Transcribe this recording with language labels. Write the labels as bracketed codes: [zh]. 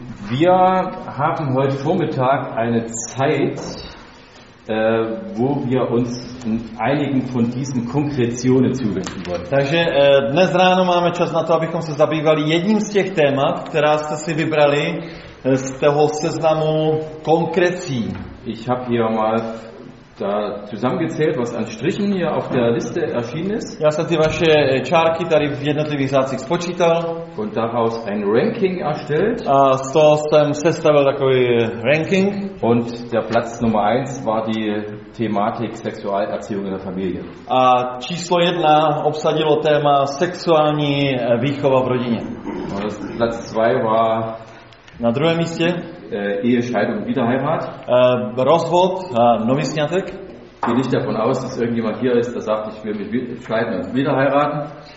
[de] Wir haben heute Vormittag eine Zeit, wo wir uns in einigen von diesen Konkretionen zuwenden wollen. [cs] Takže dnes ráno máme čas na to, abychom se zabývali jedním z těch témat, která jste si vybrali z toho seznamu konkrecí. [de] Ich habe hier mal da zusammengezählt, was an Strichen hier auf der Liste erschienen ist. [cs] Já jsem ty vaše čárky tady v jednotlivých řádcích spočítal. [de] Und daraus ein Ranking erstellt. [cs] A z toho jsem sestavil takový ranking. [de] Und der Platz Nummer 1 war die Thematik Sexualerziehung in der Familie. [cs] A číslo 1 obsadilo téma sexuální výchova v rodině. [de] Und das Platz 2 war [cs] na druhém místě [de] Ehescheidung und Wiederheirat. [cs] Rozvod a nový sňatek. [de] Gehe nicht davon aus, dass irgendjemand hier ist, der sagt, ich will mich scheiden und wiederheiraten.